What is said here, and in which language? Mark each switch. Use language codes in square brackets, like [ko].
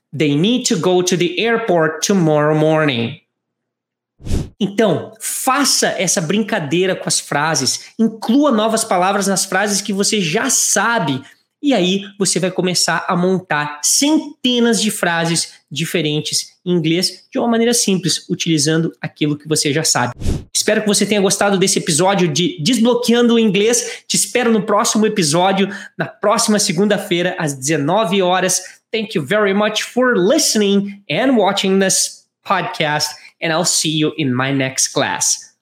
[en] They need to go to the airport tomorrow morning. [pt] Então, faça essa brincadeira com as frases. Inclua novas palavras nas frases que você já sabe. E aí, você vai começar a montar centenas de frases diferentes em inglês de uma maneira simples, utilizando aquilo que você já sabe. Espero que você tenha gostado desse episódio de Desbloqueando o Inglês. Te espero no próximo episódio, na próxima segunda-feira, às 19 horas. [en] Thank you very much for listening and watching this podcast, and I'll see you in my next class.